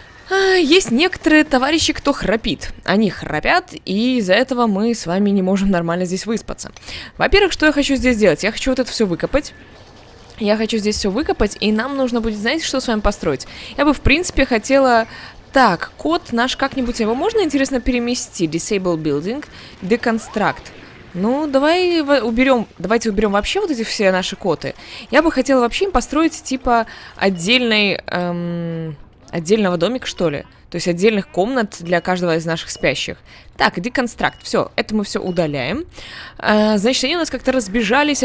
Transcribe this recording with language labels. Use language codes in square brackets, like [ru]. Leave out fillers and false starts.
[ru] Есть некоторые товарищи, кто храпит. Они храпят, и из-за этого мы с вами не можем нормально здесь выспаться. Во-первых, что я хочу здесь сделать? Я хочу вот это все выкопать. Я хочу здесь все выкопать, и нам нужно будет, знаете, что с вами построить? Я бы, в принципе, хотела... Так, код наш как-нибудь... Его можно, интересно, перемести? [en] Disable building, deconstruct. [ru] Ну, давай уберем... Давайте уберем вообще вот эти все наши коты. Я бы хотела вообще им построить, типа, отдельный... Отдельного домика, что ли? То есть отдельных комнат для каждого из наших спящих. Так, деконстракт. Все, это мы все удаляем. Значит, они у нас как-то разбежались.